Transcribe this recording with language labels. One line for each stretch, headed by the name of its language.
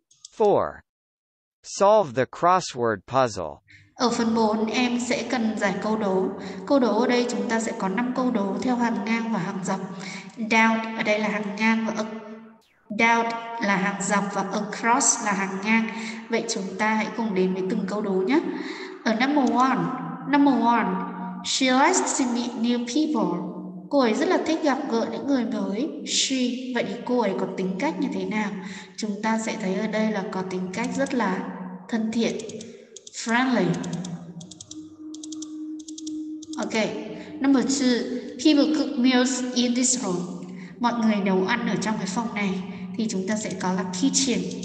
English: 4. Solve the crossword puzzle.
Vietnamese: Ở phần 4, em sẽ cần giải câu đố. Câu đố ở đây chúng ta sẽ có 5 câu đố theo hàng ngang và hàng dọc. Down ở đây là hàng ngang và Doubt là hàng dọc và across là hàng ngang. Vậy chúng ta hãy cùng đến với từng câu đố nhé.
English: Ở number one, she likes to meet new people.
Vietnamese: Cô ấy rất là thích gặp gỡ những người mới. She, vậy cô ấy có tính cách như thế nào? Chúng ta sẽ thấy ở đây là có tính cách rất là thân thiện, friendly.
English: Ok, number two, people cook meals in this room.
Vietnamese: Mọi người nấu ăn ở trong cái phòng này. Thì chúng ta sẽ có là kitchen.